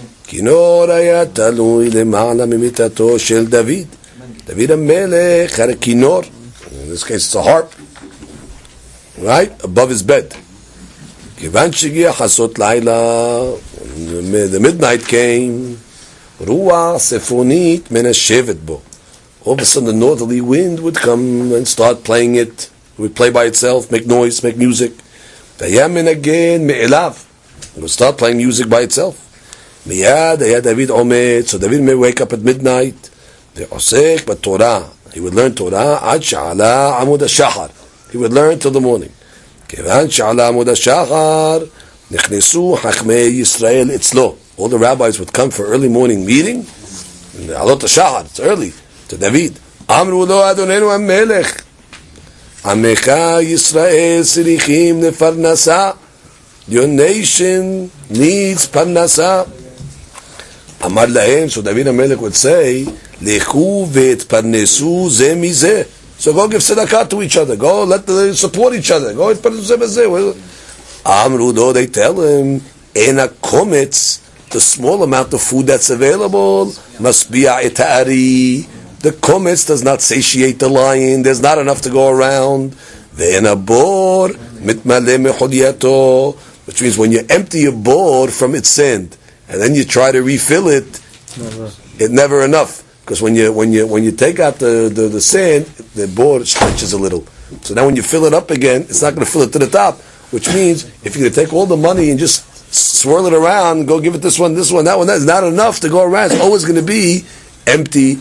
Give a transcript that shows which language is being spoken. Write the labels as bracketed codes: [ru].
[he] כינור היה תלוי למעלה ממיטתו של דוד. דוד המלך הרי כינור. [en] In this case it's a harp. Right? Above his bed. [he] כיוון שהגיע חסות לילה, [en] the midnight came, [he] רוח ספונית מנשבת בו. [en] All of a sudden the northerly wind would come and start playing it. It would play by itself, make noise, make music. [he] והיה מנגן מאליו. [en] It would start playing music by itself. [he] מיד היה דוד עומד, [en] so David may wake up at midnight, [he] ועוסק בתורה, [en] he would learn Torah, [he] עד שעלה עמוד השחר, [en] he would learn till the morning. [he] כיוון שעלה עמוד השחר, נכנסו חכמי ישראל אצלו. [en] All the rabbis would come for early morning meeting, [he] לעלות השחר, [en] it's early, to David. [he] אמרו לו, אדוננו המלך, עמך ישראל צריכים לפרנסה, [en] your nation needs [he] פרנסה, אמר להם, [en] so David HaMelech would say, [he] לכו והתפרנסו זה מזה. [en] So go give tzedakah to each other. Go let them support each other. Go [he] התפרנסו זה מזה. אמרו לו, [en] they tell him, [he] אין הקומץ, [en] the small amount of food that's available, [he] משביע את הארי. [en] The קומץ does not satiate the lion. There's not enough to go around. [he] ואין הבור מתמלא מחולייתו. [en] Which means when you empty a board from its sand, and then you try to refill it, it's never enough. Because when you take out the sand, the board stretches a little. So now when you fill it up again, it's not going to fill it to the top. Which means, if you're going to take all the money and just swirl it around, go give it this one, that one, that's not enough to go around. It's always going to be empty.